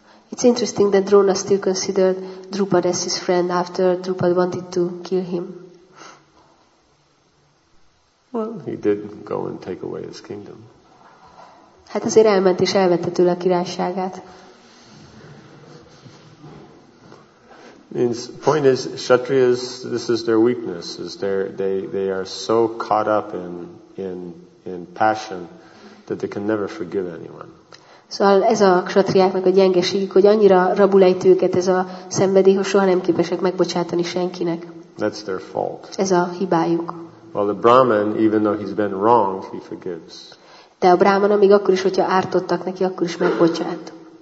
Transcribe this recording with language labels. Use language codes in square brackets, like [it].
[en] It's interesting that Drona still considered Drupad as his friend after Drupad wanted to kill him. Well, he did go and take away his kingdom. [hu] Hát azért elment és elvette tőle a királyságát. [en] Means point is, Kshatriyas, this is their weakness, is they are so caught up in passion that they can never forgive anyone. [hu] Szóval ez a ksatriáknak a gyengeségük, hogy annyira rabulejt őket ez a szenvedély, hogy soha nem képesek megbocsátani senkinek. [en] That's their fault. [hu] Ez a hibájuk. [en] Well, the Brahman, even though he's been wrong, he forgives. [hu] De a Brahman, még akkor is, hogyha ártottak neki, akkor is megbocsát.